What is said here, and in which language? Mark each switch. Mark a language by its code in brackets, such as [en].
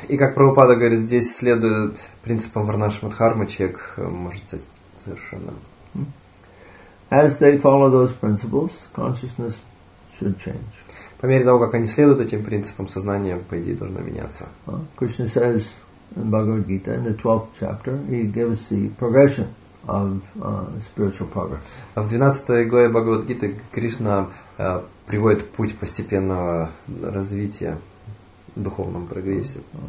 [ru] И как Прабхупада говорит, здесь следуя принципам Варнашрама Дхармы, человек может стать совершенным. [en] As they follow those principles, consciousness should change. [ru] По мере того, как они следуют этим принципам, сознание, по идее, должно меняться. [en] Krishna says in Bhagavad Gita, in the 12th chapter, he gives the progression of spiritual progress. [ru] В 12 главе Бхагавад Гиты Кришна приводит путь постепенного развития в духовном прогрессе.